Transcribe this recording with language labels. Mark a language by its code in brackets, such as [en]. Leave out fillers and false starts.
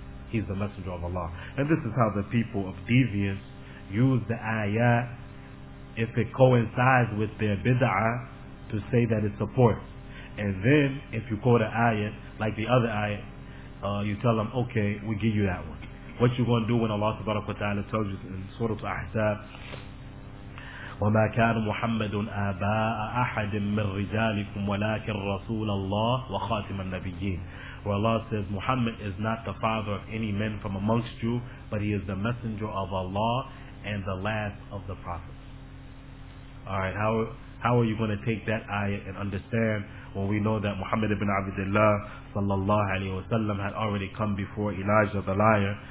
[en] He's the messenger of Allah. And this is how the people of deviance use the ayah, if it coincides with their bid'ah, to say that it supports. And then if you quote an ayah like the other ayah, you tell them, okay, we give you that one. What you going to do when Allah subhanahu wa ta'ala tells you in Surah Al-Ahzab, [ar] وما كان محمد آباء أحد من رجالكم ولكن رسول الله وخاتم النبيين. [en] Where Allah says, Muhammad is not the father of any men from amongst you, but he is the messenger of Allah and the last of the prophets. Alright, how are you going to take that ayah and understand when we know that Muhammad ibn Abdullah sallallahu alayhi wasallam had already come before Elijah the liar?